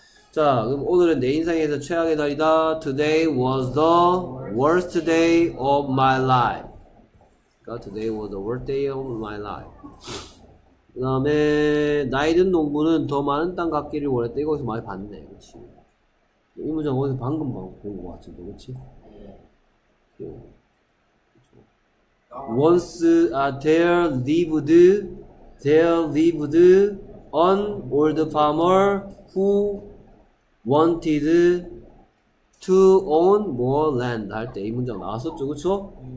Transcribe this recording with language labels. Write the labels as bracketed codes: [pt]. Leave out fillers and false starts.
[ko] 자, 그럼 오늘은 내 인생에서 최악의 날이다. [en] Today was the worst day of my life. Today was the worst day of my life. [ko] 그 다음에 나이 든 농부는 더 많은 땅 갖기를 원했대. 이거에서 많이 봤네. 그치? 이 문장 어디서 방금 본거 같은데. 그치? 그렇죠. [en] Once there lived an old farmer who wanted to own more land [ko] 할때이 문장 나왔었죠. 그쵸?